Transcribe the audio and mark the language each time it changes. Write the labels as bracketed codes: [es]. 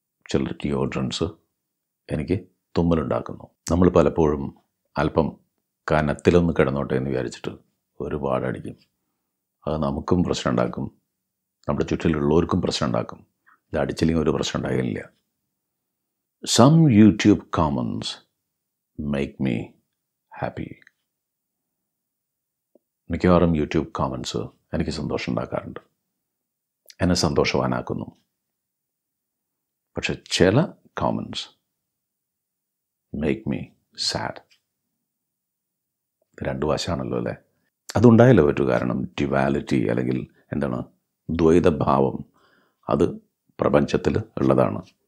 [ml] ചില ഡിയോഡ്രൻസ് എനിക്ക് തുമ്മലുണ്ടാക്കുന്നു. നമ്മൾ പലപ്പോഴും അല്പം കനത്തിലൊന്ന് കിടന്നോട്ടെ എന്ന് വിചാരിച്ചിട്ട് ഒരുപാട് അടിക്കും. അത് നമുക്കും പ്രശ്നമുണ്ടാക്കും, നമ്മുടെ ചുറ്റിലുള്ളവർക്കും പ്രശ്നമുണ്ടാക്കും. ഇത് അടിച്ചില്ലെങ്കിൽ ഒരു പ്രശ്നം ഉണ്ടാകില്ല. [en] Some YouTube comments make me happy. [ml] മിക്കവാറും യൂട്യൂബ് കമൻസ് എനിക്ക് സന്തോഷം ഉണ്ടാക്കാറുണ്ട്, എന്നെ സന്തോഷവാനാക്കുന്നു. [en] പക്ഷെ [ml] ചില [en] Comments make me sad. [ml] രണ്ടു വശമാണല്ലോ അല്ലേ, അതുണ്ടായല്ലോ പറ്റൂ. കാരണം ഡ്യുവാലിറ്റി അല്ലെങ്കിൽ എന്താണ് ദ്വൈതഭാവം, അത് പ്രപഞ്ചത്തിൽ ഉള്ളതാണ്.